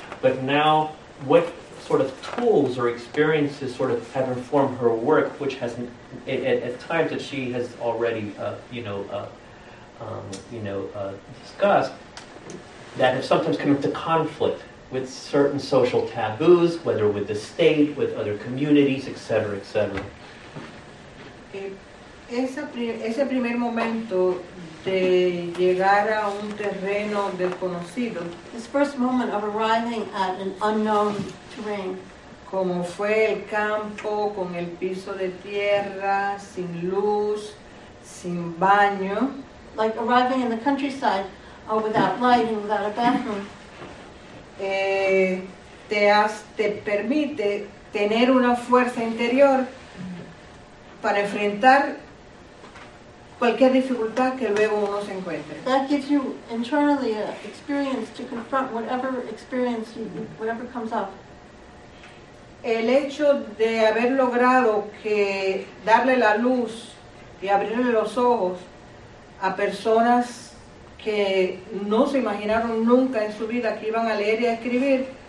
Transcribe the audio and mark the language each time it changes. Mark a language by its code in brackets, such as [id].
[en] But now, what sort of tools or experiences sort of have informed her work, which has at times that she has already discussed, that have sometimes come into conflict with certain social taboos, whether with the state, with other communities, et cetera, et cetera? [es] Ese primer momento de llegar a un terreno desconocido. [en] This first moment of arriving at an unknown terrain. [es] Como fue el campo, con el piso de tierra, sin luz, sin baño. [en] Like arriving in the countryside, without light and without a bathroom. [es] Te permite tener una fuerza interior para enfrentar cualquier dificultad que luego uno se encuentre. [en] That gives you internally an experience to confront whatever experience whatever comes up. [es] El hecho de haber logrado que darle la luz y abrirle los ojos a personas que no se imaginaron nunca en su vida que iban a leer y a escribir,